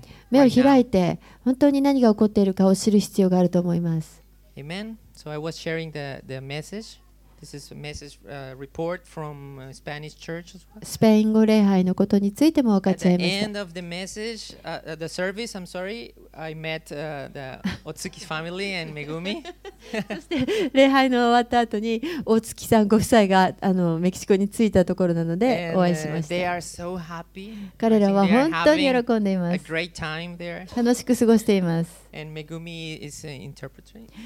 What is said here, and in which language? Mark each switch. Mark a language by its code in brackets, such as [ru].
[ja] 目を開いて本当に何が起こっているかを知る必要があると思います。 [en] Amen. So I was sharing the message. This is a message report from Spanish church. [ja] スペイン語礼拝のことについても分かち合いました。 [en] At the end of the message, the service, I'm sorry. I met the Otsuki family and Megumi. [ja] そして礼拝の終わった後に大月さんご夫妻がメキシコに着いたところなのでお会いしました。 [en] They are so happy. [ja] 彼らは本当に喜んでいます。 [en] A great time there. [ja] 楽しく過ごしています。 [en] And Megumi is interpreting.